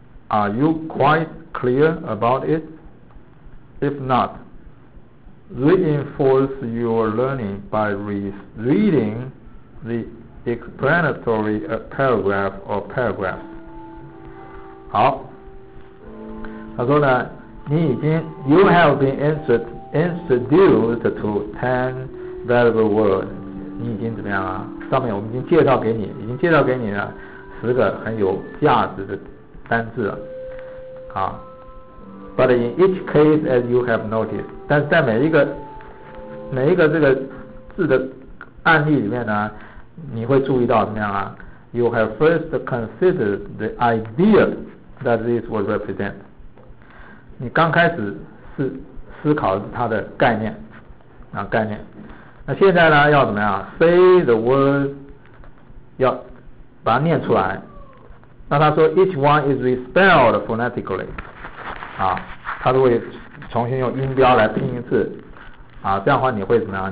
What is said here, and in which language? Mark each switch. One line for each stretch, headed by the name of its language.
English: Are you quite clear about it? If not, reinforce your learning by reading the explanatory paragraph or paragraph.
Chinese: 好，他说呢，你已经
English: you have been introduced to 10 valuable words.
Chinese: 你已经怎么样啊？上面我们已经介绍给你，已经介绍给你了十个很有价值的单字了。好。
English: But in each case, as you have noticed,
Chinese: 但在每一个这个字的案例里面呢，你会注意到怎么样啊？
English: You have first considered the idea that this would represent.
Chinese: 你刚开始是思考它的概念啊，概念。那现在呢，要怎么样？
English: Say the word，
Chinese: 要把它念出来。那他说
English: ，each one is spelled phonetically。
Chinese: 啊，他都会重新用音标来拼一次，啊，这样的话你会怎么样？